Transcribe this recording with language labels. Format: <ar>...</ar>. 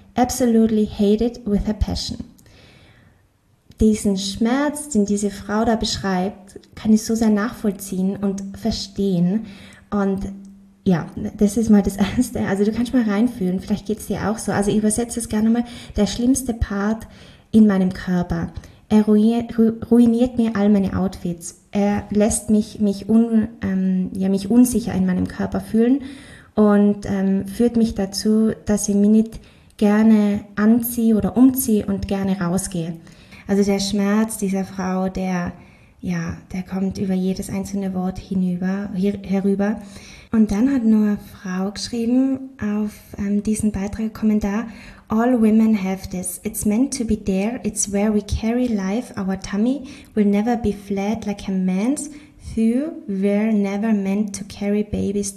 <en>Absolutely hate it with a passion."</en> <de>Diesen Schmerz, den diese Frau da beschreibt, kann ich so sehr nachvollziehen und verstehen. Und ja, das ist mal das Erste. Also du kannst mal reinfühlen, vielleicht geht es dir auch so. Also ich übersetze es gerne mal: der schlimmste Part in meinem Körper. Er ruiniert mir all meine Outfits. Er lässt mich unsicher in meinem Körper fühlen und führt mich dazu, dass ich mich nicht gerne anziehe oder umziehe und gerne rausgehe. Also der Schmerz dieser Frau, der kommt über jedes einzelne Wort herüber. Und dann hat nur eine Frau geschrieben auf diesen Beitrag, Kommentar:</de> <en>"All women have this. It's meant to be there. It's where we carry life. Our tummy will never be flat like a man's. Through, we're never meant to carry babies.</en>